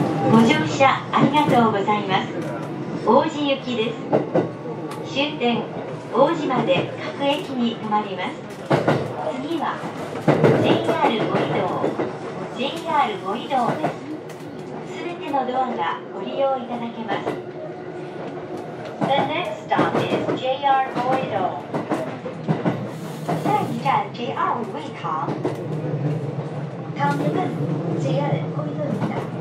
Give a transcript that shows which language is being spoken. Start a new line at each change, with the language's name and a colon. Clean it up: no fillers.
Japanese: ご乗車ありがとうございます。王子行きです。終点王子まで各駅に停まります。次は JR 五移動、 JR 五移動です。すべてのドアがご利用いただけます。
English: The next stop is JR 五移動。
Chinese: 下一站 JR 五移動。
Korean: 다음역은 JR 五移動입니다。